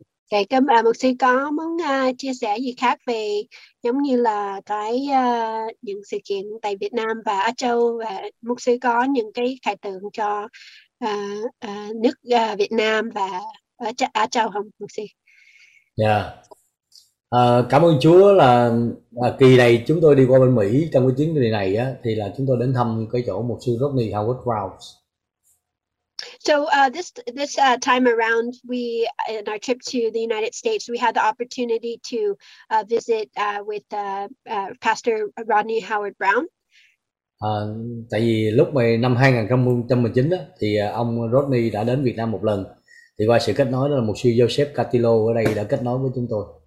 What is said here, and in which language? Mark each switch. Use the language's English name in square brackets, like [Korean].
[Vietnamese] Okay, cái mục sư có muốn chia sẻ gì khác về giống như là cái những sự kiện tại Việt Nam và Á Châu, và mục sư có những cái khái tượng cho nước Việt Nam và ở Á Châu không, mục sư? [English] Yeah. [Vietnamese] Cảm ơn Chúa là kỳ này chúng tôi đi qua bên Mỹ trong cái chuyến đi này á, thì là chúng tôi đến thăm cái chỗ mục sư Rodney Howard Rouse. [English] So this time around, we in our trip to the United States, we had the opportunity to visit with Pastor Rodney Howard Brown. [Vietnamese] Tại vì lúc mà năm 2019 á, thì ông Rodney đã đến Việt Nam một lần. Thì qua sự kết nối đó là mục sư Joseph Catilo ở đây đã kết nối với chúng tôi.